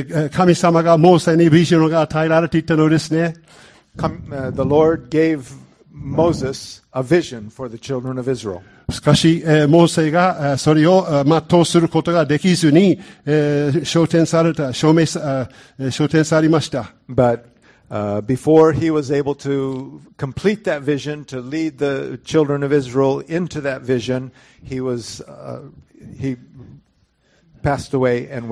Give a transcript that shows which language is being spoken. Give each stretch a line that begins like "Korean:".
Japanese: 神様がモーセにビジョンが与えられていたのですね。
English: The Lord gave Moses a vision for the children of Israel.
Japanese: しかし、モーセがそれを全うすることができずに、証明されました。
English: ButBefore he was able to complete that vision, to lead the children of Israel into that vision, he passed away.